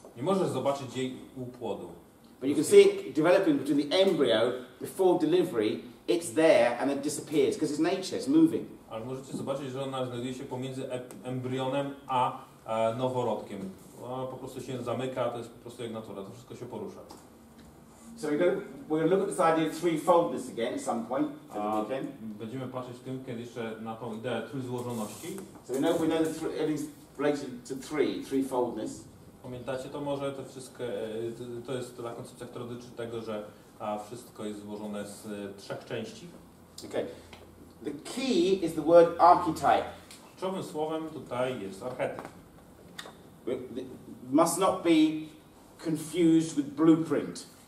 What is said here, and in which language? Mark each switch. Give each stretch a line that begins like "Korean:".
Polish: Nie możesz zobaczyć jej u płodu.
English: But you can see it developing between the embryo before delivery. It's there and it disappears because it's nature. It's moving.
Polish: Ale możecie zobaczyć, że ona znajduje się pomiędzy embrionem a noworodkiem. Ona po prostu się zamyka. To jest po prostu jak natura. To wszystko się porusza.
English: So we're going to look at this idea of threefoldness again at some point over the weekend.
Polish: Będziemy patrzeć w tym, kiedy jeszcze na tą ideę trójzłożoności.
English: So we know that everything's related to threefoldness.
Polish: Pamiętacie to może, to wszystko, to jest ta koncepcja, która dotyczy tego, że wszystko jest złożone z trzech części.
English: Okay. The key is the word archetype.
Polish: Kluczowym słowem tutaj jest archetyp.
English: Must not be confused with blueprint.